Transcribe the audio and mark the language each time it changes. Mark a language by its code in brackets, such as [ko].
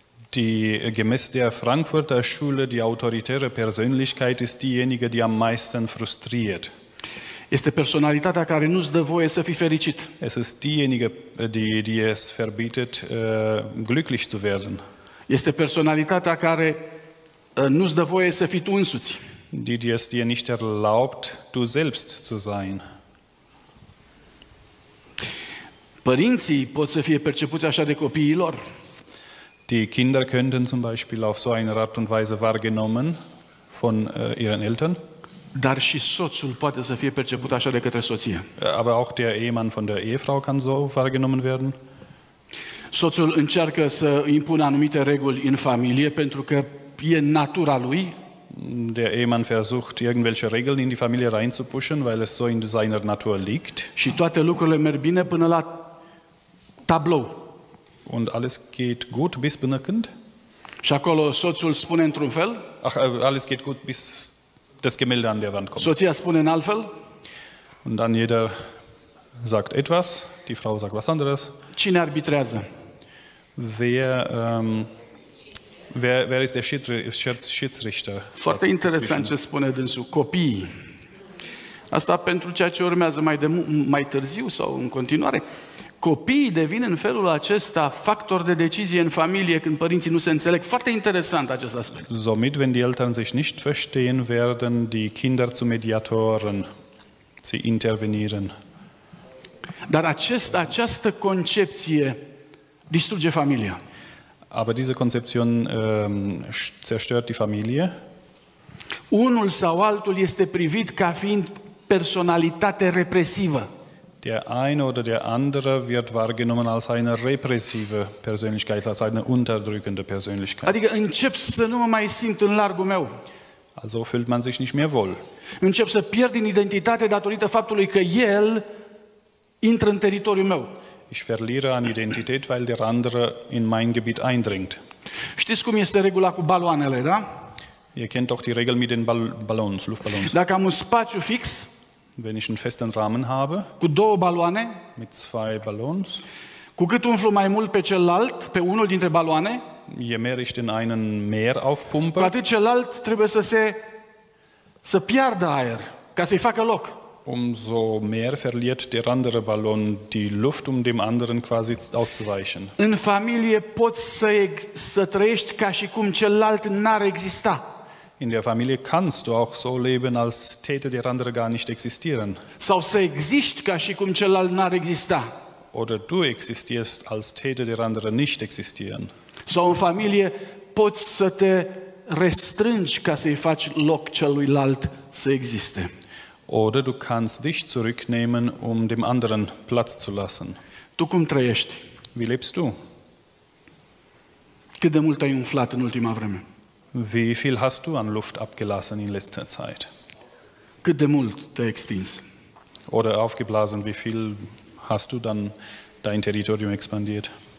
[de] Die gemäß der Frankfurter Schule, die autoritäre Persönlichkeit ist diejenige, die am meisten frustriert. [ro] Este personalitatea care nu-ți dă voie să fii fericit. [de] Es ist diejenige, die es verbietet, glücklich zu werden. [ro] Este personalitatea care nu-ți dă voie să fii tu însuți. [de] Die es dir nicht erlaubt, du selbst zu sein. [ro] Părinții pot să fie percepuți așa de copiii lor. [de] Die Kinder könnten zum Beispiel auf so eine Art und Weise wahrgenommen von ihren Eltern. [ro] Dar și soțul poate să fie perceput așa de către soție. [de] Aber auch der Ehemann von der Ehefrau kann so wahrgenommen werden. [ro] Soțul încearcă să impună anumite reguli în familie pentru că e natura lui. [de] Der Ehemann versucht, irgendwelche Regeln in die Familie reinzupuschen, weil es so in seiner Natur liegt. [ro] Și toate lucrurile merg bine până la tablou. [de] Und alles geht gut bis [ro] bânăcând? Și acolo soțul spune într-un fel. [de] Ach, alles geht gut bis das Gemälde an der Wand kommt. [ro] Soția spune în alt fel. [de] Und dann jeder sagt etwas, die Frau sagt was anderes. [ro] Cine arbitrează? [de] Wer ist der Schiedsrichter? [ro] Foarte interesant ce spune dânsul. Copiii. Asta pentru ceea ce urmează mai târziu sau în continuare. Copiii devin în felul acesta factor de decizie în familie când părinții nu se înțeleg. Foarte interesant acest aspect. [de] Somit, wenn die Eltern sich nicht verstehen, werden die Kinder zu Mediatoren. Sie intervenieren. [ro] Dar această concepție distruge familia. [de] Aber diese Konzeption zerstört die Familie. [ro] Unul sau altul este privit ca fiind personalitate represivă. [de] Der eine oder der andere wird wahrgenommen als eine repressive Persönlichkeit, als eine unterdrückende Persönlichkeit. [ro] Adică încep să nu mă mai simt în largul meu. [de] Also fühlt man sich nicht mehr wohl. [ro] Încep să pierd din identitate datorită faptului că el intră în teritoriul meu. [de] Ich verliere an Identität, weil der andere in mein Gebiet eindringt. [ro] Știți cum este regula cu baloanele, da? [de] Ihr kennt doch die Regel mit den Ballons, Luftballons. [ro] Dacă am un spațiu fix, [de] wenn ich einen festen Rahmen habe, [ro] cu două baloane, [de] mit zwei Ballons, [ro] cu cât umflu mai mult pe celălalt, pe unul dintre baloane, [de] je mehr ich den einen mehr aufpumpe, [ro] cu atât celălalt trebuie să piardă aer, ca să-i facă loc. [de] Umso mehr verliert der andere Ballon die Luft, um dem anderen quasi auszuweichen. [ro] În familie poți să trăiești ca și cum celălalt n-ar exista. [de] In der Familie kannst du auch so leben, als täte der andere gar nicht existieren. [ro] Sau să existi ca și cum celălalt n-ar exista. [de] Oder du existierst, als täte der andere nicht existieren. [ro] Sau în familie poți să te restrângi ca să-i faci loc celuilalt să existe. [de] Oder du kannst dich zurücknehmen, um dem anderen Platz zu lassen. [ro] Tu cum trăiești? [de] Wie lebst du? [ro] Cât de mult ai umflat în ultima vreme? [de] Wie viel hast du an Luft abgelassen in letzter Zeit? [ro] Cât de mult te-ai extins? [de] Oder aufgeblasen, wie viel hast du dann dein Territorium expandiert?